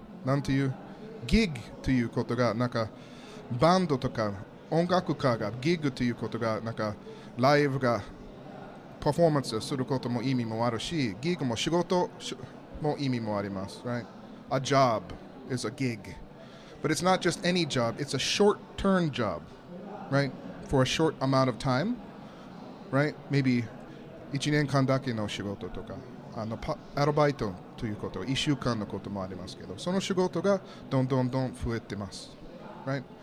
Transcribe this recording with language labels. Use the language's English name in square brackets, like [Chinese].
[Japanese] なんていうギグということがなんかバンドとか音楽家がギグということがなんかライブがパフォーマンスすることも意味もあるし、ギグも仕事も意味もあります、 [English] right? A job is a gig. But it's not just any job, it's a short-term job, right? For a short amount of time, right? Maybe [Japanese] 1年間だけの仕事とか、あのアルバイトということ、1週間のこともありますけど、その仕事がどんどんどん増えてます、 [English] right?